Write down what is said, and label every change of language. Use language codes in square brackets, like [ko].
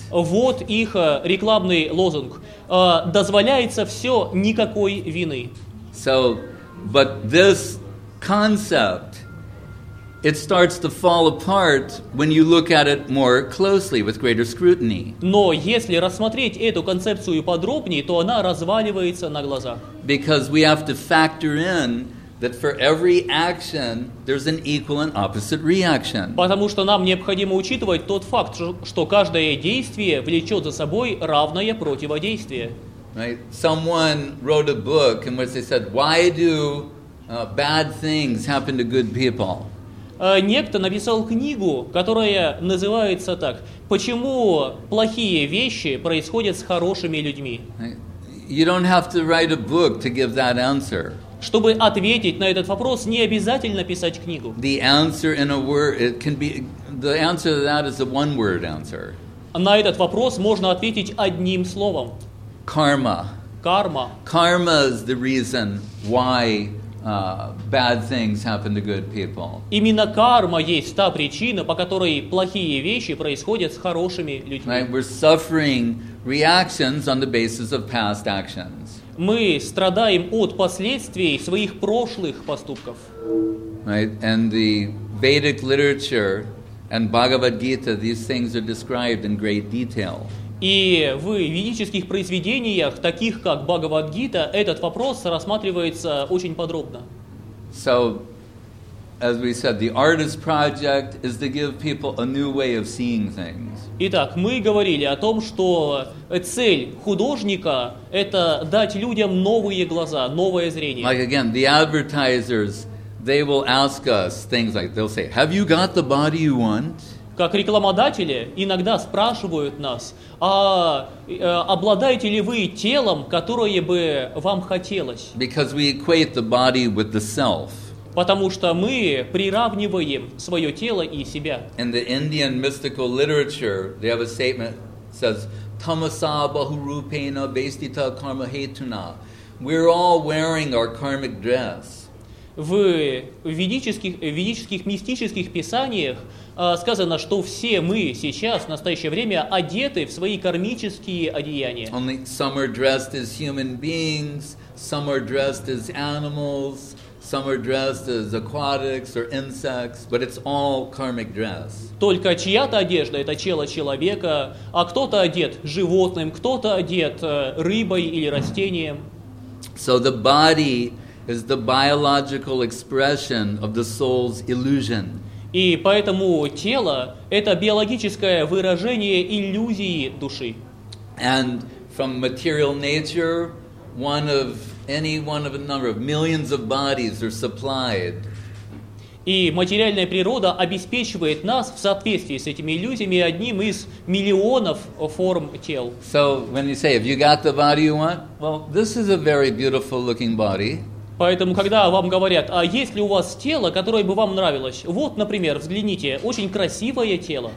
[ru] Вот их рекламный лозунг. Дозволяется все, никакой вины. [en] So, but this concept, it starts to fall apart when you look at it more closely with greater scrutiny. [ru] Но если рассмотреть эту концепцию подробнее, то она разваливается на глазах. [en] Because we have to factor in that for every action there's an equal and opposite reaction. [ru] Потому что нам необходимо учитывать тот факт, что каждое действие влечет за собой равное противодействие. [en] Right? Someone wrote a book in which they said, "Why do bad things happen to good people?" [ru] Некто написал книгу, которая называется так: "Почему плохие вещи происходят с хорошими людьми?" [en] Right? You don't have to write a book to give that answer. [ru] Чтобы ответить на этот вопрос, не обязательно писать книгу. [en] The answer in a word, it can be, the answer to that is a one-word answer. [ru] На этот вопрос можно ответить одним словом. [en] Karma. [ru] Карма. [en] Karma is the reason why bad things happen to good people. [ru] Именно карма есть та причина, по которой плохие вещи происходят с хорошими людьми. [en] Right? We're suffering reactions on the basis of past actions. [ru] Мы страдаем от последствий своих прошлых поступков. [en] Right? And the Vedic literature and Bhagavad Gita, these things are described in great detail. [ru] И в ведических произведениях, таких как Бхагавад-гита, этот вопрос рассматривается очень подробно. [en] So, as we said, the artist project is to give people a new way of seeing things. [ru] Итак, мы говорили о том, что цель художника — это дать людям новые глаза, новое зрение. [en] Like again, the advertisers, they will ask us things like, they'll say, "Have you got the body you want?" [ru] Как рекламодатели иногда спрашивают нас, обладаете ли вы телом, которое бы вам хотелось? [en] Because we equate the body with the self. [ru] Потому что мы приравниваем свое тело и себя. [en] In the Indian mystical literature, they have a statement that says, [sa] "Tamasa bahurupena vestita karmahetuna." [en] We're all wearing our karmic dress. [ru] В ведических мистических писаниях сказано, что все мы сейчас, в настоящее время, одеты в свои кармические одеяния. [en] Only some are dressed as human beings, some are dressed as animals, some are dressed as aquatics or insects, but it's all karmic dress. [ru] Только чья-то одежда — это тело человека, а кто-то одет животным, кто-то одет рыбой или растением. [en] So the body is the biological expression of the soul's illusion. [ru] И поэтому тело — это биологическое выражение иллюзии души. [en] And from material nature, one of a number of millions of bodies are supplied. [ru] И материальная природа обеспечивает нас в соответствии с этими иллюзиями одним из миллионов форм тел. [en] So when you say, "If you got the body you want," well, this is a very beautiful looking body. [ru] Поэтому, когда вам говорят, а есть ли у вас тело, которое бы вам нравилось? Вот, например, взгляните, очень красивое тело.